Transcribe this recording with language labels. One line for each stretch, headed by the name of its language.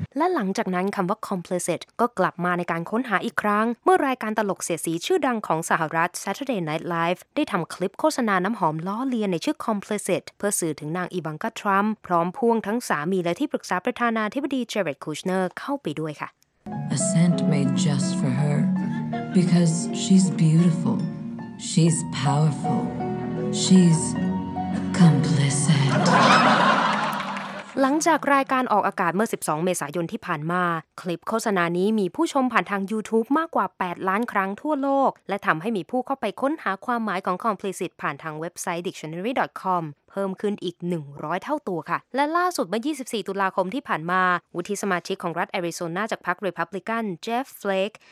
Thai: และหลังจากนั้นคำว่า complicit ก็กลับมาในการค้นหาอีกครั้งเมื่อรายการตลกเสียสีชื่อดังของสหรัฐ Saturday Night Live ได้ทำคลิปโฆษณาน้ำหอมล้อเลียนในชื่อ complicit เพื่อสื่อถึงนางอีวังกาทรัมป์พร้อมพ่วงทั้งสามีและที่ปรึกษาประธานาธิบดีเจเร็ดคูชเนอร์เข้าไปด้วยค่ะ
English: A scent made just for her because she's beautiful she's powerful she's complicit
Thai: หลังจากรายการออกอากาศเมื่อ12เมษายนที่ผ่านมาคลิปโฆษณานี้มีผู้ชมผ่านทาง YouTube มากกว่า8ล้านครั้งทั่วโลกและทำให้มีผู้เข้าไปค้นหาความหมายของ complicit ผ่านทางเว็บไซต์ dictionary.comเพิ่มขึ้นอีก100เท่าตัวค่ะและล่าสุดเมื่อ24ตุลาคมที่ผ่านมาวุฒิสมาชิกของรัฐแอริโซนาจากพรรครีพับลิกันเจฟฟ์เฟลก